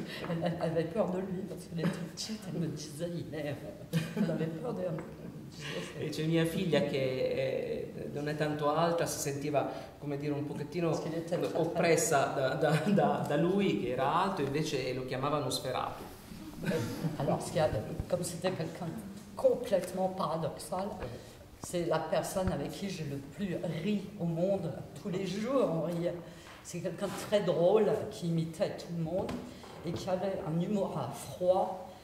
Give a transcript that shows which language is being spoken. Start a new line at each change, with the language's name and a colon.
French: Elle avait peur de lui parce qu'il était petit, elle me disait, il est. Elle avait peur de lui.
Italian: E c'è mia figlia che non è tanto alta, si sentiva come dire un pochettino oppressa da lui, che era alto, invece lo chiamava Nosferatu.
French: Alors, comme c'était quelqu'un complètement paradoxal. C'est la personne avec qui j'ai le plus ri au monde, tous les jours on riait. C'est quelqu'un de très drôle, qui imitait tout le monde, et qui avait un humour à froid.